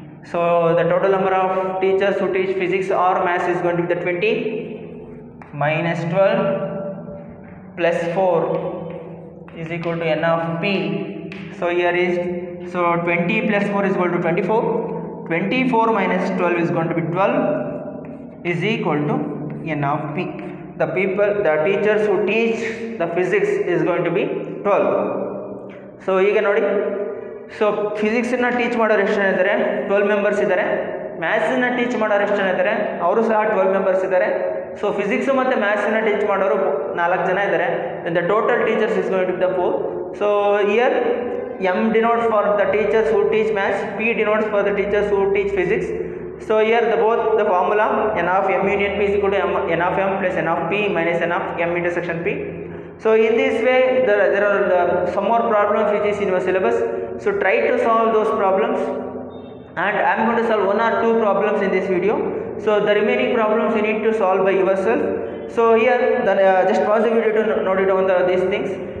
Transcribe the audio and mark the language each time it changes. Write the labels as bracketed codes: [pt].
[en] So the total number of teachers who teach physics or maths is going to be the 20 minus 12 plus 4 is equal to n of p. So here is, so 20 plus 4 is equal to 24, 24 minus 12 is going to be 12 is equal to n of p. The people, the teachers who teach the physics is going to be 12. So you can already, [kn] so ಫಿಸಿಕ್ಸನ್ನು teach ಮಾಡೋರು ಎಷ್ಟು ಜನ ಇದ್ದಾರೆ, 12 members ಇದ್ದಾರೆ. ಮ್ಯಾಥ್ಸನ್ನು teach ಮಾಡೋರು ಎಷ್ಟು ಜನ ಇದ್ದಾರೆ, ಅವರು ಸಹ 12 ಮೆಂಬರ್ಸ್ ಇದ್ದಾರೆ. ಸೊ ಫಿಸಿಕ್ಸು ಮತ್ತು ಮ್ಯಾಥ್ಸನ್ನು ಟೀಚ್ ಮಾಡೋರು 4 ಜನ ಇದ್ದಾರೆ. [en] The total teachers is going to be the 4. So here M denotes for the teachers who teach maths, P denotes for the teachers who teach physics. So here the both the formula N of M union P [kn] ಸಿಗೋ [en] M N of M plus N of P minus N of M intersection P. So in this way, there are the, some more problems which is in your syllabus. So try to solve those problems. And I am going to solve 1 or 2 problems in this video. So the remaining problems you need to solve by yourself. So here, then, just pause the video to note down these things.